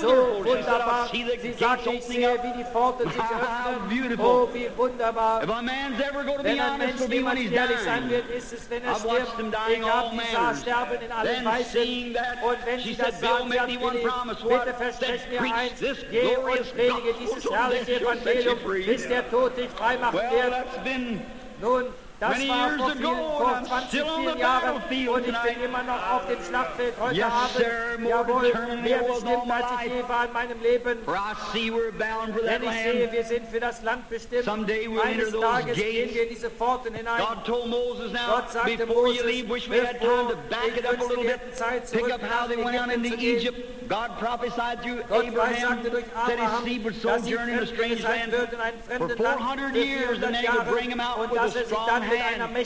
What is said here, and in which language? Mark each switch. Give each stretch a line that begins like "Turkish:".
German: So wunderbar.
English: She said, I see the gates opening up. How beautiful.
German: Oh, wie wunderbar.
English: If a man's ever going to be honest, it'll be when he's dying. I've watched him dying all manners. Then seeing that, she said, Bill, make me one promise. What? Then preach this glorious gospel.
German: Dieses herrliche Evangelium, bis der Tod dich frei macht.
English: Well,
German: nun, das war vor, vielen, vor 20 vielen Jahren und ich bin immer noch auf dem Schlachtfeld heute
English: yes,
German: Abend.
English: Sir,
German: jawohl, mehr bestimmt als ich je war in meinem Leben. Denn ich sehe, wir sind für das Land bestimmt. Eines Tages gehen wir in diese Pforten hinein. Gott sagte Moses, bevor ich wünschte, wir hätten Zeit zurückgehen in Ägypten.
English: God prophesied through Abraham that his seed would sojourn in a strange land. For 400 years, and then he would bring him out with a strong hand.